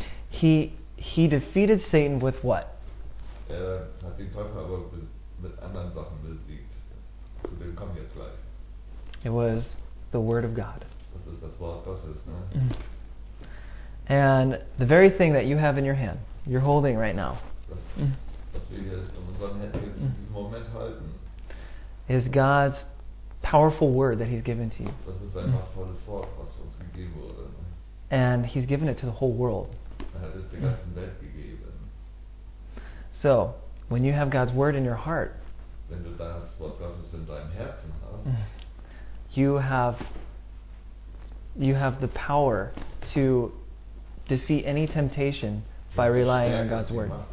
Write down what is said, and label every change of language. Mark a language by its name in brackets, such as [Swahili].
[English] He defeated Satan with what? [German] Er hat den Teufel aber mit anderen Sachen besiegt. Zu dem kommen wir jetzt gleich. [English] It was the Word of God. [German] Das ist das Wort Gottes, ne? [English] And the very thing that you have in your hand, you're holding right now, [German] das, was wir jetzt in unseren Händen jetzt in diesem Moment halten, [English] is God's powerful word that He's given to you. [German] Das ist ein machtvolles Wort, was uns gegeben wurde. [English] And He's given it to the whole world. [German] Er hat es der ganzen Welt gegeben. [English] So, when you have God's word in your heart, [German] wenn du das Wort Gottes in deinem Herzen hast, [English] you have the power to defeat any temptation by relying on God's word.